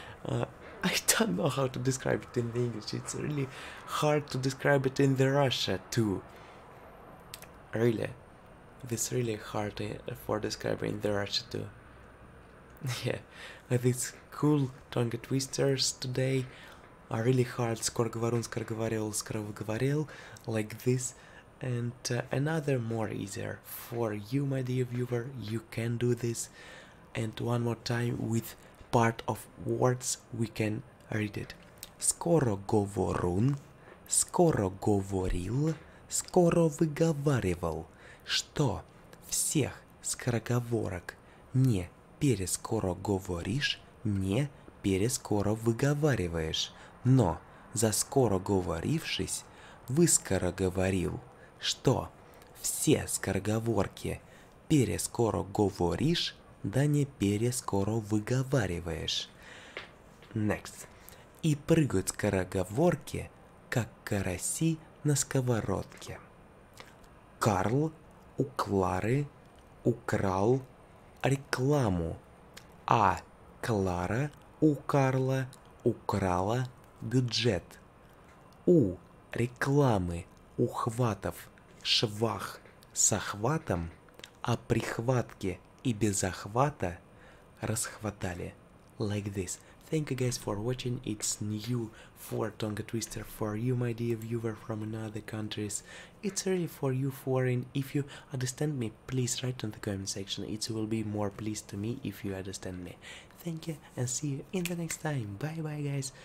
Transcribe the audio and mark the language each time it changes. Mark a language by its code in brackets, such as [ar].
[en] I don't know how to describe it in the English. It's really hard to describe it in the Russian too. Really. This really hard for describing in the Russian too. Yeah. This cool tongue twisters today are really hard. [ru] Скороговорун, скороговорил, скороговорил. [en] Like this. And another more easier for you, my dear viewer. You can do this. And one more time with part of words we can read it. [ru] Скороговорун, скороговорил, скоровыговаривал, что всех скороговорок не перескороговоришь, не перескоровыговариваешь, но заскороговорившись, выскороговорил, что все скороговорки перескороговоришь, да не перескоро выговариваешь. [en] Next. [ru] И прыгают скороговорки, как караси на сковородке. Карл у Клары украл рекламу, а Клара у Карла украла бюджет. У рекламы ухватов швах с охватом, а прихватки и без охвата расхватали. [en] Like this. Thank you guys for watching. It's new for Tongue Twister for you, my dear viewer from another countries. It's really for you foreign. If you understand me, please write in the comment section. It will be more pleased to me if you understand me. Thank you and see you in the next time. Bye bye guys.